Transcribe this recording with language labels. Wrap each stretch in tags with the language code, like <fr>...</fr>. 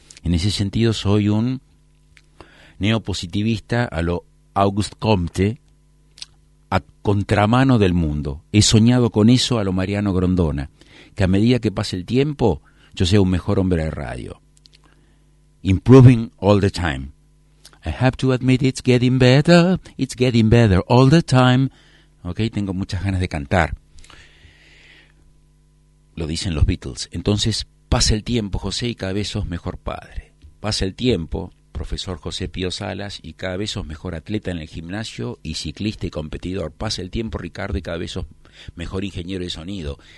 <es>En ese sentido soy un neopositivista a lo Auguste Comte, a contramano del mundo. He soñado con eso a lo Mariano Grondona, que a medida que pase el tiempo, yo sea un mejor hombre de radio.</es> <en>Improving all the time. I have to admit it's getting better all the time.</en> <es>Ok, tengo muchas ganas de cantar. Lo dicen los Beatles. Entonces, pasa el tiempo, José, y cada vez sos mejor padre. Pasa el tiempo, profesor José Pío Salas, y cada vez sos mejor atleta en el gimnasio y ciclista y competidor. Pasa el tiempo, Ricardo, y cada vez sos mejor ingeniero de sonido.</es>